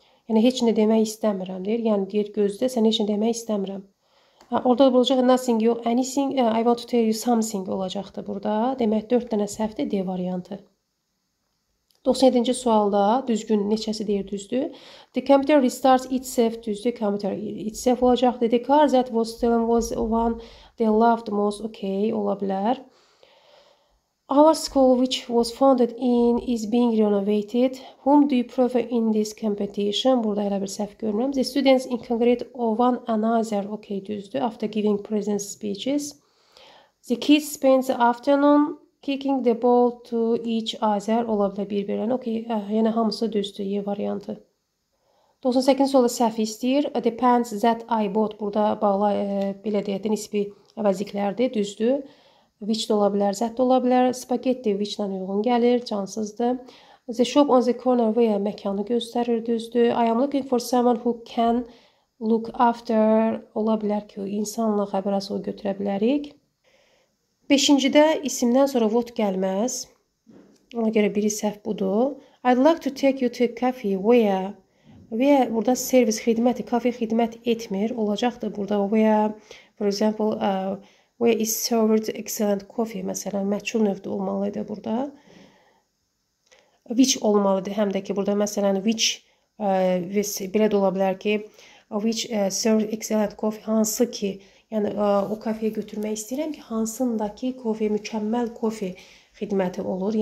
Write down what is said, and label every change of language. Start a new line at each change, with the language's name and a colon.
Azerbaijani: Yəni, heç nə demək istəmirəm, deyir. Yəni, deyir, gözdə, sən heç nə demək istəmirəm. Orada olacaq,
English: nothing,
Azerbaijani: yox,
English: anything, I want to tell you something
Azerbaijani: olacaqdır burada. Demək, 4 dənə səhvdir, D variantı. 97-ci sualda düzgün neçəsi deyir düzdür.
English: The computer restarts itself
Azerbaijani: düzdür.
English: Computer itself
Azerbaijani: olacaq.
English: The car that was stolen was one they loved most. Okay,
Azerbaijani: ola bilər.
English: Our school which was founded in is being renovated. Whom do you prefer in this competition?
Azerbaijani: Burada elə bir səhv görmürəm.
English: The students in congregate one another. Okay,
Azerbaijani: düzdür.
English: After giving present speeches. The kids spend the afternoon kicking the ball to each other,
Azerbaijani: ola bilər bir-birən. Okey, yəni hamısı düzdür, Y variantı. 98-ci sualda səhv istəyir.
English: The pants that I bought,
Azerbaijani: burada bağla, belə deyək, nisbi əvəziklərdir, düzdür. Which də ola bilər, that də ola bilər. Spagetti which ilə uyğun gəlir, cansızdır.
English: The shop on the corner where
Azerbaijani: məkanı göstərir, düzdür.
English: I am looking for someone who can look after,
Azerbaijani: ola bilər ki, insanla xəbərəsi o götürə bilərik. 5-ci-də isimdən sonra what gəlməz. Ona görə biri səhv budur.
English: I'd like to take you to a cafe where... Where
Azerbaijani: burada servis xidməti, kafe xidmət etmir. Olacaqdır burada
English: where, for example, where is served excellent coffee.
Azerbaijani: Məsələn, məçhul növdə olmalıdır burada. Which olmalıdır. Həm də ki, burada məsələn, which, belə də ola bilər ki,
English: which served excellent coffee,
Azerbaijani: hansı ki, yəni, o kafeyə götürmək istəyirəm ki, hansındakı kofi, mükəmməl kofi xidməti olur.